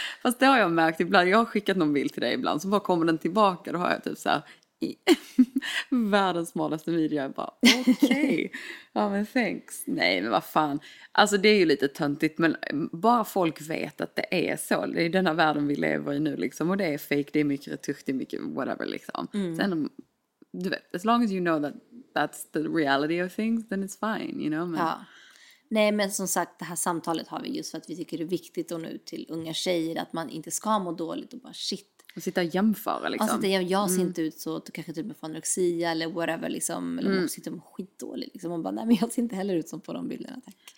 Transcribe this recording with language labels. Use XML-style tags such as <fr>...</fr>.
<sv>Fast det har jag märkt ibland, jag har skickat någon bild till dig ibland, så bara kommer den tillbaka, då har jag typ så här, världens smalaste video, jag bara okej, okay. Ja men thanks, nej men vad fan, alltså det är ju lite töntigt, men bara folk vet att det är så, det är den här världen vi lever i nu liksom, och det är fake, det är mycket retuscht, det är mycket whatever liksom. Mm. Sen om, du vet,</sv> <en>as long as you know that that's the reality of things, then it's fine, you know.</en> <sv>Men, ja. Nej, men som sagt, det här samtalet har vi just för att vi tycker det är viktigt att nå ut till unga tjejer, att man inte ska må dåligt och bara shit. Och sitta och jämföra liksom. Alltså, jag ser inte ut så, att du kanske typ med anorexia eller whatever liksom. Eller man sitter och skitdålig liksom. Och bara, nej men jag ser inte heller ut som på de bilderna, tack.</sv>